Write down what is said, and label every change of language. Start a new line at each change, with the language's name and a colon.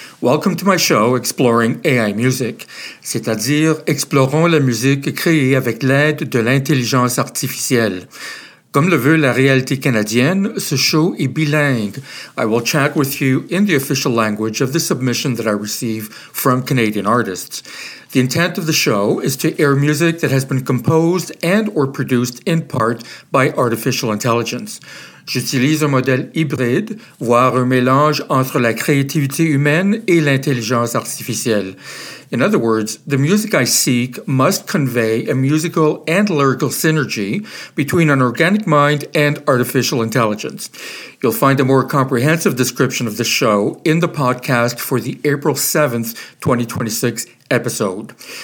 English: Welcome to my show, Exploring AI Music,
French: c'est-à-dire explorons la musique créée avec l'aide de l'intelligence artificielle. Comme le veut la réalité canadienne, ce show est bilingue.
English: I will chat with you in the official language of the submission that I receive from Canadian artists. The intent of the show is to air music that has been composed and or produced in part by artificial intelligence.
French: J'utilise un modèle hybride, voire un mélange entre la créativité humaine et l'intelligence artificielle.
English: In other words, the music I seek must convey a musical and lyrical synergy between an organic mind and artificial intelligence. You'll find a more comprehensive description of the show in the podcast for the April 7th, 2026 episode.